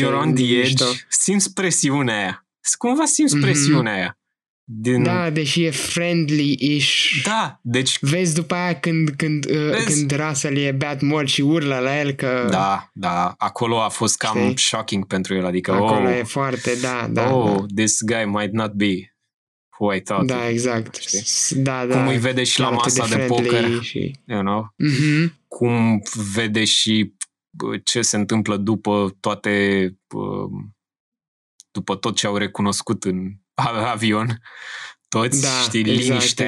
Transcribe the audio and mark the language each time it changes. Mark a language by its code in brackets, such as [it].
[en] you're on the edge, [ro] simți presiunea aia. Cumva simți presiunea aia. Da, deși e friendly-ish. Da, deci... Vezi după aia când Russell e beat mort și urlă la el că... Da, da, acolo a fost cam shocking pentru el, adică... Acolo oh, e foarte, da, da. Oh, da. [en] This guy might not be who I thought. [ro] Da, exact. Da, da. Cum îi vede și la masa de poker, [en] you know? [ro] Cum vede și ce se întâmplă după toate... După tot ce au recunoscut în... avion, toți, da, știi, exact, liniște,